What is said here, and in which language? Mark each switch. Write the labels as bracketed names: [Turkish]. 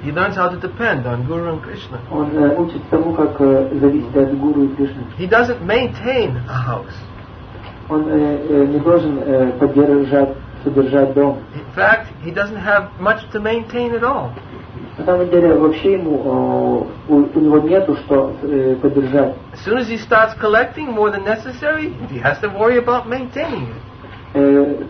[English] He learns how to depend on Guru and Krishna. [Russian] Он учит тому, как зависеть от Гуру и Кришны. [English] He doesn't maintain a house. [Russian] Он не должен содержать дом. [English] In fact, he doesn't have much to maintain at all. [Russian] На самом деле, вообще ему у него нету что поддержать. [English] As soon as he starts collecting more than necessary, he has to worry about maintaining it.